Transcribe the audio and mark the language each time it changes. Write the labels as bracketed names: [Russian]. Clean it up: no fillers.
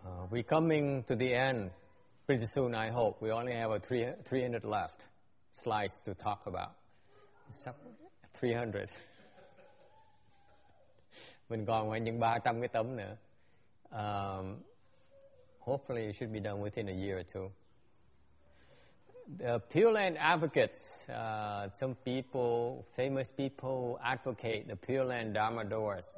[English] We're coming to the end pretty soon, I hope. We only have a 300 left slides to talk about. 300. [Vietnamese] Mình còn khoảng những 300 cái tấm nữa. [English] Hopefully it should be done within a year or two. The Pure Land advocates, some people, famous people advocate the Pure Land Dharma doors.